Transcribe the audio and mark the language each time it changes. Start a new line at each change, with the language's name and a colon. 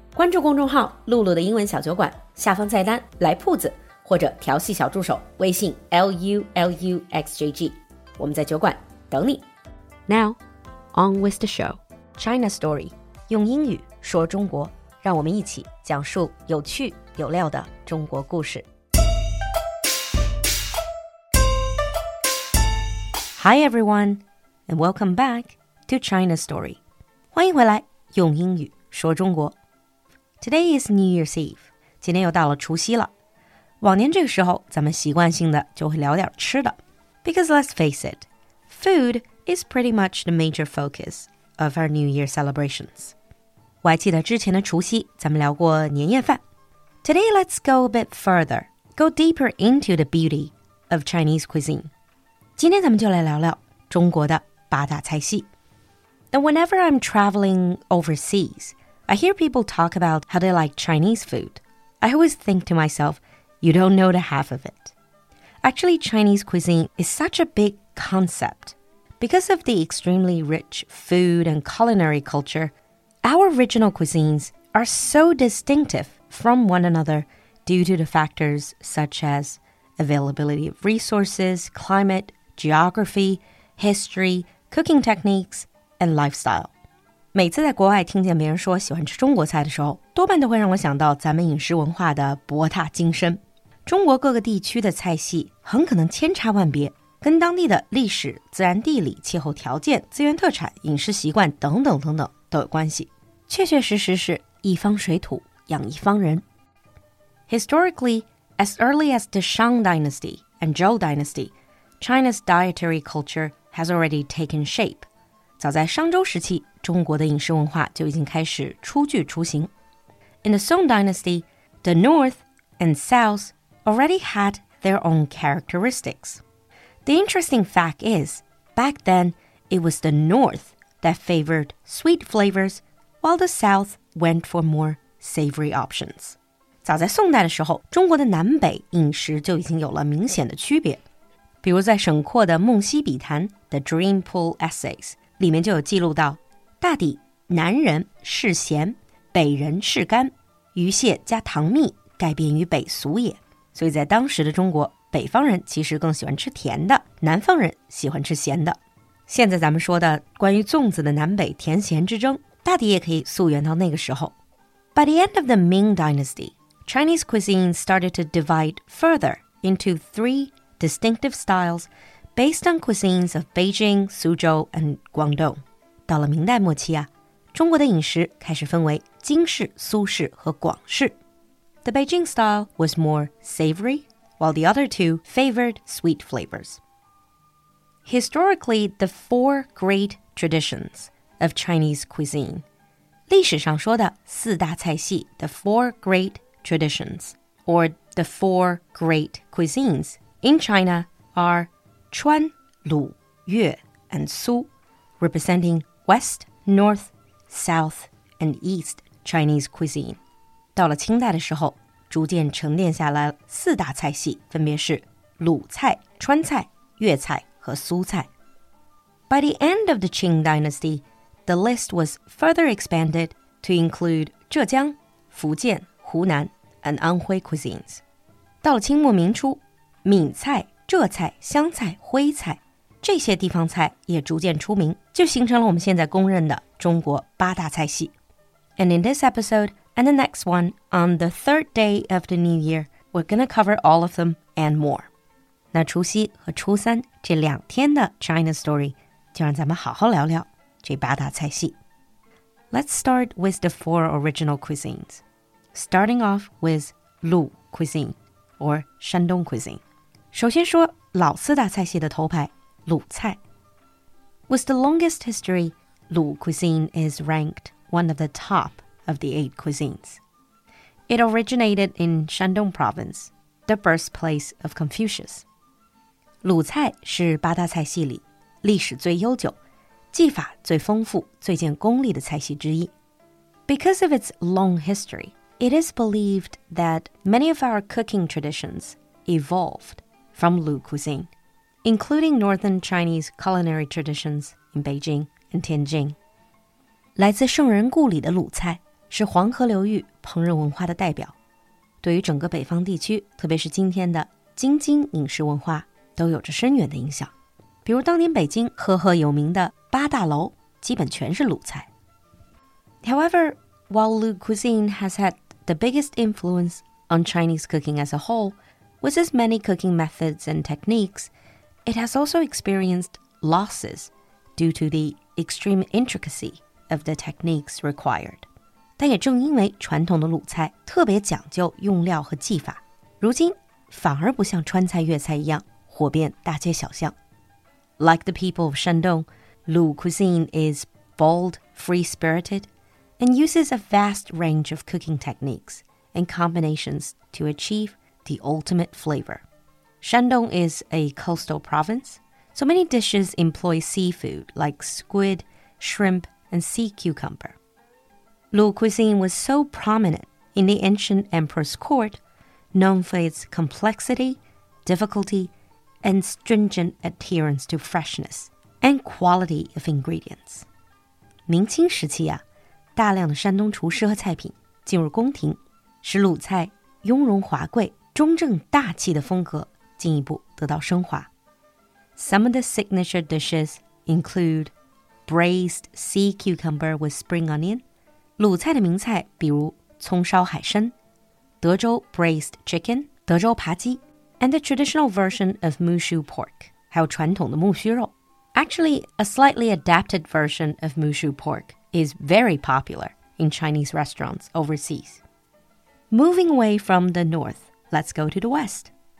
Chinese: 关注公众号露露的英文小酒馆，下方菜单来铺子，或者调戏小助手微信 LULUXJG， 我们在酒馆等你。
English: Now on with the show
Chinese: China Story， 用英语说中国，让我们一起讲述有趣有料的中国故事。
English: Hi everyone, and welcome back to China Story.
Chinese: 欢迎回来，用英语说中国。
English: Today is New Year's Eve.
Chinese: 今天又到了除夕了。往年这个时候，咱们习惯性的就会聊点吃的。
English: Because let's face it, food is pretty much the major focus of our New Year celebrations.
Chinese: 我还记得之前的除夕，咱们聊过年夜饭。
English: Today let's go a bit further, go deeper into the beauty of Chinese cuisine.
Chinese: 今天咱们就来聊聊中国的八大菜系。
English: Now, whenever I'm traveling overseas, I hear people talk about how they like Chinese food. I always think to myself, you don't know the half of it. Actually, Chinese cuisine is such a big concept. Because of the extremely rich food and culinary culture, our regional cuisines are so distinctive from one another due to the factors such as availability of resources, climate,geography, history, cooking techniques, and lifestyle.
Chinese: 每次在国外听见别人说喜欢吃中国菜的时候，多半都会让我想到咱们饮食文化的博大精深。中国各个地区的菜系很可能千差万别，跟当地的历史、自然地理、气候条件、资源特产、饮食习惯等等等等都有关系。确确实实是一方水土养一方人。
English: Historically, as early as the Shang Dynasty and Zhou Dynasty,China's dietary culture has already taken shape.
Chinese: 早在商周时期，中国的饮食文化就已经开始初具雏形。
English: In the Song Dynasty, the North and South already had their own characteristics. The interesting fact is, back then, it was the North that favored sweet flavors, while the South went for more savory options.
Chinese: 早在宋代的时候，中国的南北饮食就已经有了明显的区别。比如在沈括的《梦溪笔谈》The Dream Pool Essays 里面就有记录到，大抵南人嗜咸，北人嗜甘，鱼蟹加糖蜜改变于北俗也。所以在当时的中国，北方人其实更喜欢吃甜的，南方人喜欢吃咸的。现在咱们说的关于粽子的南北甜咸之争，大抵也可以溯源到那个时候。
English: By the end of the Ming Dynasty, Chinese cuisine started to divide further into threedistinctive styles based on cuisines of Beijing, Suzhou, and Guangdong.
Chinese: 到了明代末期啊，中国的饮食开始分为京式、苏式和广式。
English: The Beijing style was more savory, while the other two favored sweet flavors. Historically, the four great traditions of Chinese cuisine.
Chinese: 历史上说的四大菜系
English: the four great traditions, or the four great cuisines,In China are Chuan, Lu, Yue, and Su, representing West, North, South, and East Chinese cuisine.
Chinese: 到了清代的时候，逐渐沉淀下来四大菜系，分别是鲁菜、川菜、粤菜和苏菜。
English: By the end of the Qing Dynasty, the list was further expanded to include 浙江、福建、湖南 and 安徽 cuisines.
Chinese: 到了清末明初，闽菜、浙菜、湘菜、徽菜，这些地方菜也逐渐出名，就形成了我们现在公认的中国八大菜系。
English: And in this episode and the next one, on the third day of the new year, we're going to cover all of them and more.
Chinese: 那除夕和初三这两天的 China Story, 就让咱们好好聊聊这八大菜系。
English: Let's start with the four original cuisines. Starting off with 鲁 cuisine, or Shandong cuisine.
Chinese: 首先说老四大菜系的头牌鲁菜。
English: With the longest history, 鲁 cuisine is ranked one of the top of the eight cuisines. It originated in Shandong province, the birthplace of Confucius.
Chinese: 鲁菜是八大菜系里历史最悠久，技法最丰富、最见功力的菜系之一。
English: Because of its long history, it is believed that many of our cooking traditions evolved from Lu cuisine, including northern Chinese culinary traditions in Beijing and Tianjin.
Chinese: 来自圣人故里的鲁菜是黄河流域烹饪文化的代表，对于整个北方地区，特别是今天的京津饮食文化都有着深远的影响。比如当年北京赫赫有名的八大楼基本全是鲁菜。
English: However, while Lu cuisine has had the biggest influence on Chinese cooking as a whole, with its many cooking methods and techniques, it has also experienced losses due to the extreme intricacy of the techniques required.
Chinese: 但也正因为传统的鲁菜特别讲究用料和技法，如今反而不像川菜、粤菜一样火遍大街小巷。
English: Like the people of Shandong, Lu cuisine is bold, free-spirited,and uses a vast range of cooking techniques and combinations to achieve the ultimate flavor. Shandong is a coastal province, so many dishes employ seafood like squid, shrimp, and sea cucumber. Lu cuisine was so prominent in the ancient emperor's court, known for its complexity, difficulty, and stringent adherence to freshness and quality of ingredients.
Chinese: 明清时期啊大量的山东厨师和菜品进入宫廷，使鲁菜雍容华贵、中正大气的风格进一步得到升华。
English: Some of the signature dishes include braised sea cucumber with spring onion.
Chinese: 鲁菜的名菜比如葱烧海参、德州
English: braised chicken、
Chinese: 德州扒鸡
English: and the traditional version of mushu pork.
Chinese: 还有传统的木须肉。
English: Actually, a slightly adapted version of mushu pork. Is very popular in Chinese restaurants overseas. Moving away from the north, let's go to the west.